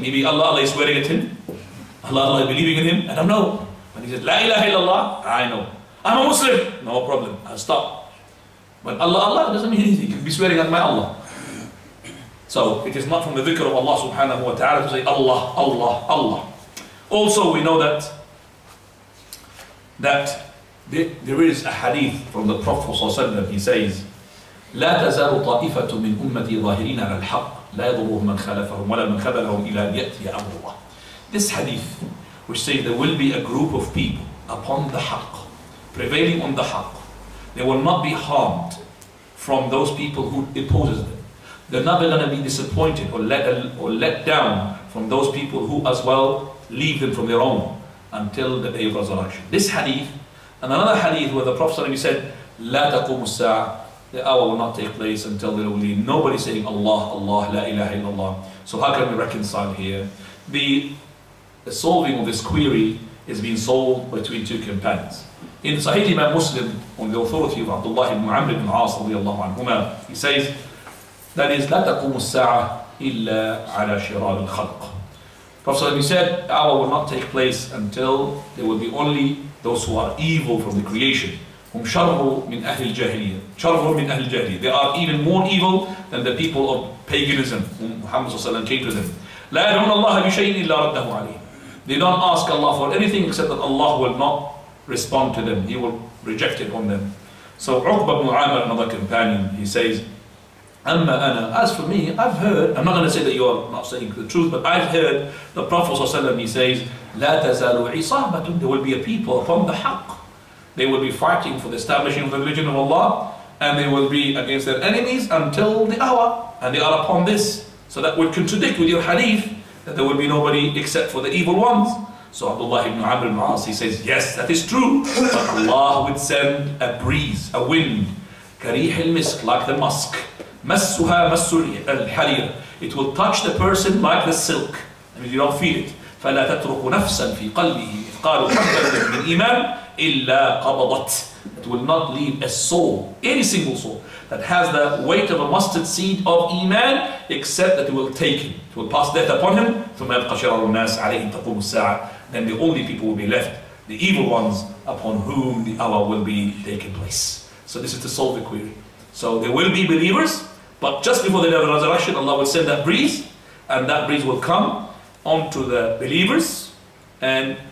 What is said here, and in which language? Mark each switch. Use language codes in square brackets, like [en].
[en] Maybe Allah, Allah is swearing at him. Allah, Allah, believing in him, I don't know. But he said, La ilaha illallah, I know. I'm a Muslim, no problem, I'll stop. But Allah, Allah, doesn't mean anything. You can be swearing at my Allah. So it is not from the dhikr of Allah subhanahu wa ta'ala to say Allah, Allah, Allah. Also, we know that there is a hadith from the Prophet, he says, [ar] لا تزال طائفة من أمتي ظاهرين على الحق لا يضرهم من خلفهم ولا من خذلهم إلى أن يأتي أمر الله. [en] This hadith, which says there will be a group of people upon the haq, prevailing on the haq, they will not be harmed from those people who opposes them. They're not going to be disappointed or let down from those people who as well leave them from their own until the day of resurrection. This hadith, and another hadith where the Prophet ﷺ said, [ar] لا تقوم الساعة, [en] the hour will not take place until there will be nobody saying Allah, Allah, la ilaha illallah. So how can we reconcile here? The solving of this query is being solved between two companions. In Sahih Imam Muslim, on the authority of Abdullah ibn Amr ibn As, he says, that is, [ar] لا تقوم الساعة إلا على شرار الخلق. [en] Prophet ﷺ said, the hour will not take place until there will be only those who are evil from the creation. [ar] هم شره من أهل الجاهلية. شره من أهل الجاهلية. [en] They are even more evil than the people of paganism, whom Muhammad ﷺ came to them. [ar] لا يدعون الله بشيء إلا رده عليه. [en] They don't ask Allah for anything except that Allah will not respond to them. He will reject it on them. So Uqba ibn Amr, another companion, he says, Amma ana, as for me, I've heard, I'm not going to say that you are not saying the truth, but I've heard the Prophet ﷺ, he says, [ar] لا تزالوا عصابة, [en] there will be a people upon the haq. They will be fighting for the establishing of the religion of Allah, and they will be against their enemies until the hour, and they are upon this. So that would contradict with your hadith, that there will be nobody except for the evil ones. So Abdullah ibn Amr ibn As, he says, yes, that is true. But Allah would send a breeze, a wind, [ar] كريح المسك, [en] like the musk. [ar] مسها مس الحرير. [en] It will touch the person like the silk. I mean, you don't feel it. [ar] فلا تترك نفسا في قلبه إثقال حبة من إيمان إلا قبضت. [en] It will not leave a soul, any single soul, that has the weight of a mustard seed of Iman, except that it will take him. It will pass death upon him. [ar] ثم يبقى شرار الناس عليهم تقوم الساعة. [en] Then the only people will be left, the evil ones, upon whom the hour will be taking place. So this is to solve the query. So there will be believers, but just before the day of the resurrection, Allah will send that breeze, and that breeze will come onto the believers, and